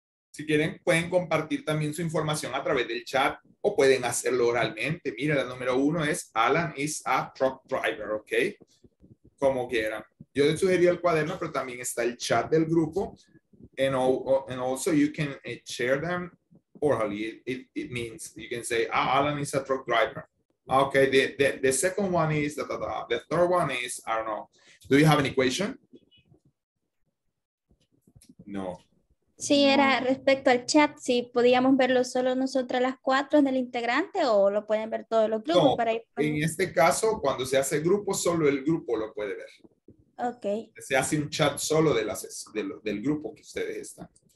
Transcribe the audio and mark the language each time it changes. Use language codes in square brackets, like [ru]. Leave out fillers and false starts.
[es] Si quieren, pueden compartir también su información a través del chat o pueden hacerlo oralmente. Mira, la número 1 es [en] Alan is a truck driver, [es] ¿ok? Como quieran. Yo les sugería el cuaderno, pero también está el chat del grupo. [en] And also, you can share them orally. It means, you can say, Alan is a truck driver. Okay, the second one is, the third one is, I don't know. Do you have any question? [es] No. Sí, era respecto al chat, si podíamos verlo solo nosotras las 4 en el integrante o lo pueden ver todos los grupos. No, para ir... En este caso, cuando se hace grupo, solo el grupo lo puede ver. Ok. Se hace un chat solo del grupo que ustedes están.